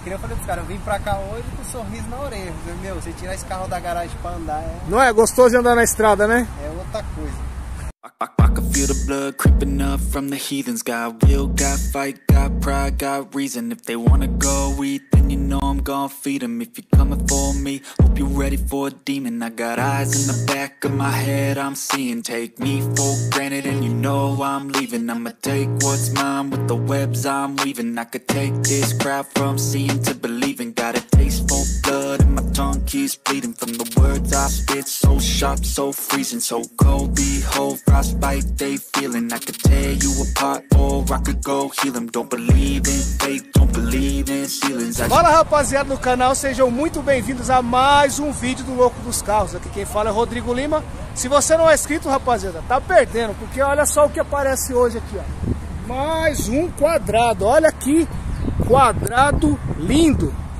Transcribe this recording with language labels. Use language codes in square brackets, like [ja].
[pt] Eu falei pros caras, eu vim pra cá hoje com um sorriso na orelha. Falei, meu, você tirar esse carro da garagem pra andar. Não é gostoso andar na estrada, né? É outra coisa. [en] I can feel the blood creeping up from the heathens. Got will, got fight, got pride, got reason. If they wanna go eat, then you know I'm gonna feed them. If you're coming for me, hope you're ready for a demon. I got eyes in the back of my head, I'm seeing. Take me for granted and you know I'm leaving. I'ma take what's mine with the webs I'm weaving. I could take this crowd from seeing to believing. Got a taste for blood and my tongue keeps bleeding from the words I spit. So sharp, so freezing, so cold, behold. Frostbite they feeling. I could tear you apart or I could go heal them. Don't believe in faith, don't believe in ceilings. [pt] Fala rapaziada do canal, sejam muito bem-vindos a mais um vídeo do Louco dos Carros. Aqui quem fala é Rodrigo Lima. Se você não é inscrito, rapaziada, tá perdendo, porque olha só o que aparece hoje aqui, ó. Mais um quadrado, olha aqui, quadrado lindo.